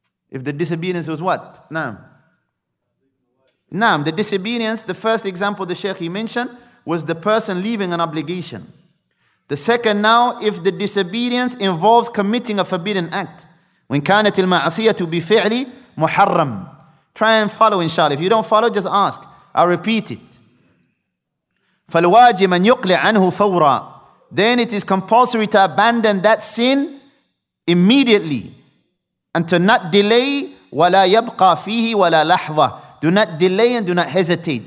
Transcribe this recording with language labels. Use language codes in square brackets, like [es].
[en] If the disobedience was what? Naam. The disobedience, the first example the Shaykh, he mentioned, was the person leaving an obligation. The second now, if the disobedience involves committing a forbidden act. [ar] وَإِنْ كَانَتِ الْمَعْصِيَةُ بِفِعْلِ مُحَرَّمٍ, [en] try and follow inshallah. If you don't follow, just ask. I'll repeat it. [ar] فَالْوَاجِمْ أَنْ يُقْلِعْ عَنْهُ فَوْرًا, [en] then it is compulsory to abandon that sin immediately and to not delay. [ar] وَلَا يَبْقَى فِيهِ وَلَا لَحْظَةً, [en] do not delay and do not hesitate.